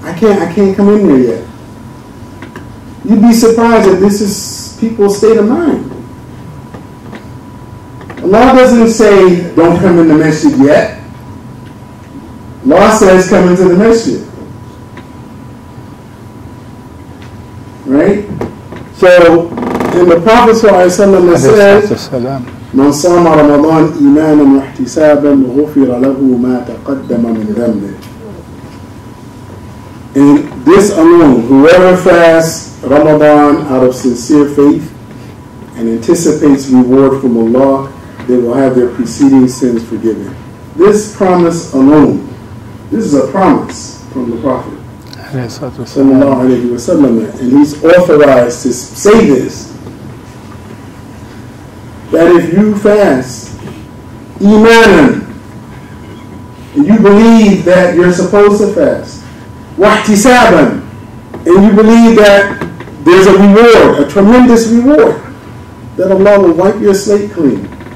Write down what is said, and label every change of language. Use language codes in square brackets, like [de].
[en] I can't come in there yet. You'd be surprised that this is people's state of mind. Allah doesn't say, don't come in the masjid yet. Allah says, come into the masjid. Right? So, in the Prophet Sallallahu Alaihi Wasallam, it says, [ar] من صام رمضان إيمانا واحتسابا غفر له ما تقدم من ذنبه. [en] And this alone, whoever fasts Ramadan out of sincere faith and anticipates reward from Allah, they will have their preceding sins forgiven. This promise alone, this is a promise from the Prophet Sallallahu Alaihi Wasallam, and he's authorized to say this, that if you fast, iman, and you believe that you're supposed to fast, wahtisaban, and you believe that there's a reward, a tremendous reward, that Allah will wipe your slate clean.